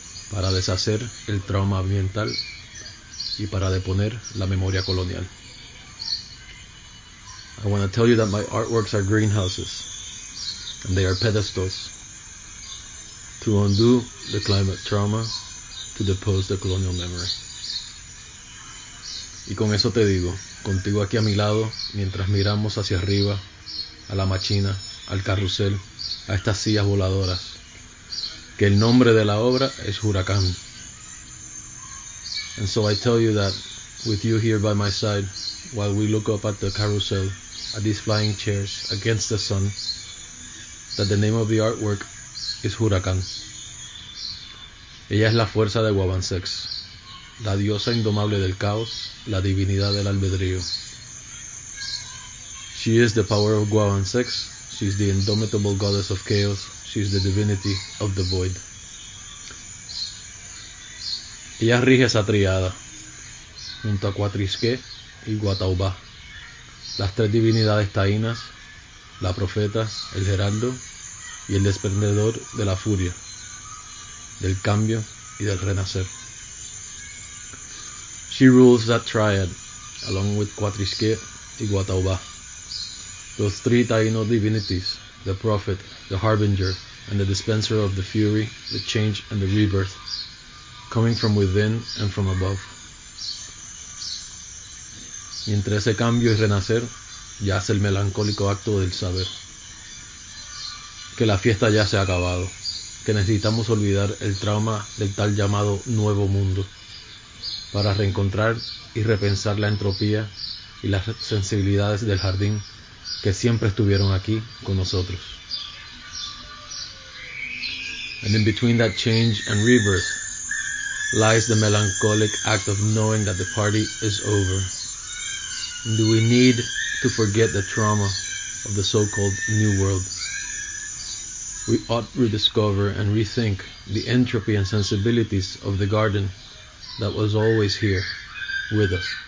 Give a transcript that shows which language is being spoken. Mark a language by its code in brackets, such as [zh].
[es] Para deshacer el trauma ambiental y para deponer la memoria colonial. [en] I want to tell you that my artworks are greenhouses and they are pedestals to undo the climate trauma, to depose the colonial memory. [es] Y con eso te digo, contigo aquí a mi lado, mientras miramos hacia arriba, a la machina, al carrusel, a estas sillas voladoras, que el nombre de la obra es Huracán. [en] And so I tell you that with you here by my side, while we look up at the carousel, at these flying chairs, against the sun, that the name of the artwork is Huracán. [es] Ella es la fuerza de Wabansex, la diosa indomable del caos, la divinidad del albedrío. [en] She is the power of Wabansex, she is the indomitable goddess of chaos, she is the divinity of the void. [es] Ella rige esa triada, junto a Cuatrisque y Guataubá, las tres divinidades taínas, la profeta, el heraldo y el desprendedor de la furia, del cambio y del renacer. [en] She rules that triad, along with Cuatrisque y Guataubá, those three taíno divinities, the prophet, the harbinger, and the dispenser of the fury, the change, and the rebirth, coming from within and from above. [es] Y entre ese cambio y renacer, yace el melancólico acto del saber. Que la fiesta ya se ha acabado. Que necesitamos olvidar el trauma del tal llamado nuevo mundo. Para reencontrar y repensar la entropía y las sensibilidades del jardín que siempre estuvieron aquí con nosotros. [en] And in between that change and rebirth, lies the melancholic act of knowing that the party is over. Do we need to forget the trauma of the so-called new world? We ought to rediscover and rethink the entropy and sensibilities of the garden that was always here with us.